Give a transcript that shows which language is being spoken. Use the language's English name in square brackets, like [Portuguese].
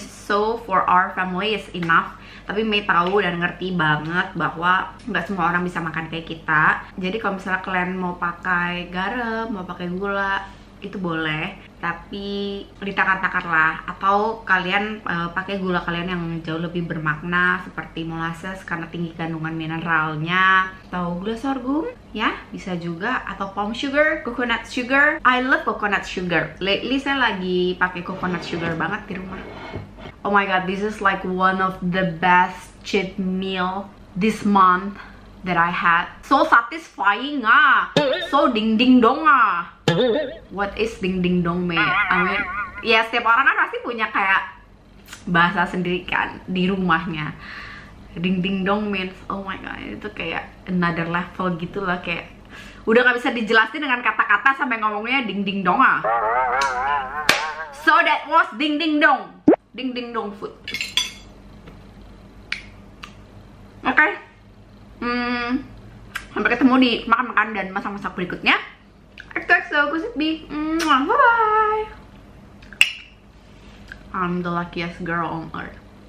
[English] So for our family is enough. [Indonesian] Tapi May tahu dan ngerti banget bahwa nggak semua orang bisa makan kayak kita. Jadi kalau misalnya kalian mau pakai garam, mau pakai gula, itu boleh, tapi ditakar-takar lah, atau kalian pakai gula kalian yang jauh lebih bermakna seperti molasses karena tinggi kandungan mineralnya, atau gula sorghum ya bisa juga, atau palm sugar, coconut sugar. [English] I love coconut sugar. Lately [Indonesian] saya lagi pakai coconut sugar banget di rumah. [English] Oh my god, this is like one of the best cheat meal this month that I had. So satisfying ah, so ding ding dong ah. What is ding ding dong, May? I mean, [Indonesian] ya setiap orang kan pasti punya kayak bahasa sendiri kan di rumahnya. [English] Ding ding dong means, oh my god, [Indonesian] itu kayak [English] another level [Indonesian] gitu lah, kayak udah gak bisa dijelasin dengan kata-kata sampai ngomongnya ding ding dong ah. [English] So that was ding ding dong. Ding ding dong food. [Indonesian] Oke. Sampai ketemu di makan-makan dan masak-masak berikutnya. [English] XOXO Gossip Bee. Bye-bye. I'm the luckiest girl on earth.